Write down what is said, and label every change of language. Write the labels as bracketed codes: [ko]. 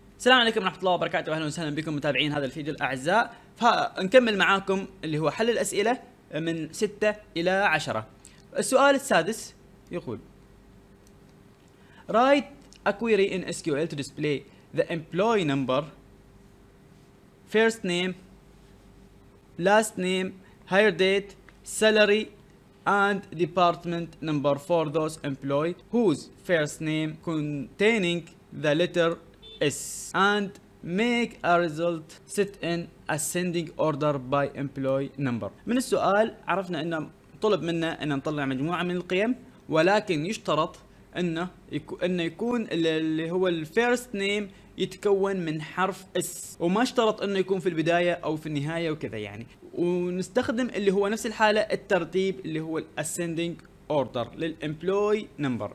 [ar] السلام عليكم ورحمة الله وبركاته، أهلا وسهلا بكم متابعين هذا الفيديو الأعزاء. فنكمل معاكم اللي هو حل الأسئلة من 6 إلى 10. السؤال السادس يقول: [en] Write a query in SQL to display the employee number, first name, last name, hire date, salary and department number for those employees whose first name containing the letter S, and make a result set in ascending order by employee number. [ar] من السؤال عرفنا انه طلب منا ان نطلع مجموعة من القيم، ولكن يشترط انه يكون اللي هو الفيرست نيم يتكون من حرف S، وما اشترط انه يكون في البداية او في النهاية وكذا يعني. ونستخدم اللي هو نفس الحالة الترتيب اللي هو ascending order للemployee number.